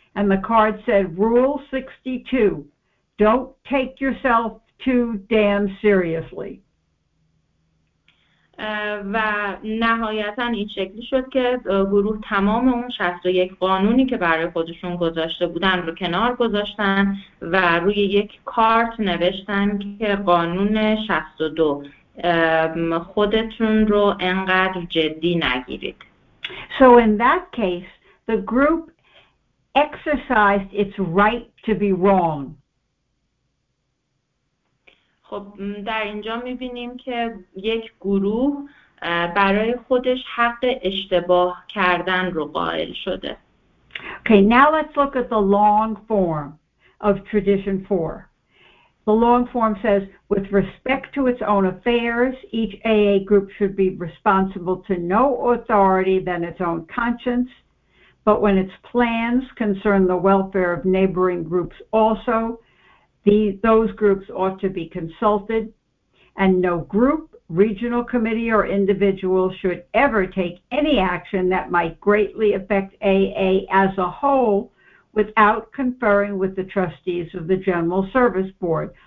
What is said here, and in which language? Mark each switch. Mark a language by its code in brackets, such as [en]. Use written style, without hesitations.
[en] And the card said, Rule 62, don't take yourself too damn seriously. [fa] و نهایتاً این شکلی شد که گروه تمام اون 61 قانونی که برای خودشون گذاشته بودن رو کنار گذاشتن و روی یک کارت نوشتن که قانون 62 خودتون رو انقدر جدی نگیرید. [en] So in that case, the group exercised its right to be wrong. [fa] خب در اینجا می‌بینیم که یک گروه برای خودش حق اشتباه کردن رو قائل شده. [en] Okay, now let's look at the long form of tradition 4. The long form says with respect to its own affairs, each AA group should be responsible to no authority than its own conscience. But when its plans concern the welfare of neighboring groups also, those groups ought to be consulted, and no group, regional committee, or individual should ever take any action that might greatly affect AA as a whole without conferring with the trustees of the General Service Board.